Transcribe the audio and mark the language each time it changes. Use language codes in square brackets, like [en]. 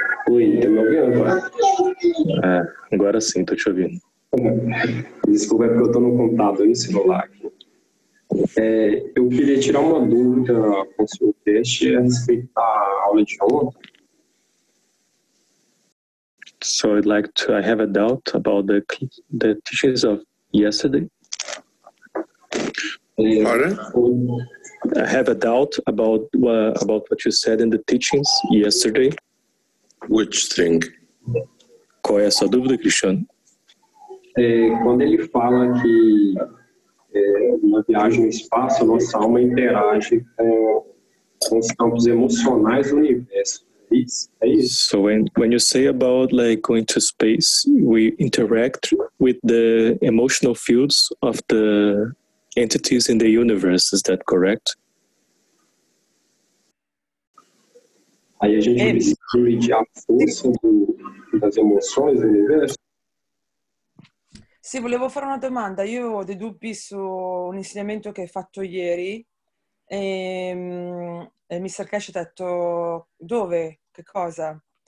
[pt] Oi, tá me ouvindo, pai? Ah, agora sim, tô te ouvindo. Desculpa, é porque eu tô no computador, no celular aqui. Eu queria tirar uma dúvida com o seu teste a respeito da aula de ontem. [en] So I'd like to. I have a doubt about the teachings of yesterday. Pardon? I have a doubt about what you said in the teachings yesterday. Which thing? [pt] Qual é essa dúvida, Cristiano? Quando ele fala que na viagem no espaço nossa alma interage com os campos emocionais do universo. [en] So when you say about like going to space, we interact with the emotional fields of the entities in the universe. Is that correct? [pt] Aí a gente observa a força das emoções do universo. [it] Sì, volevo fare una domanda. Io ho dei dubbi su un insegnamento che hai fatto ieri. Mr. Cash ha detto dove. Che cosa?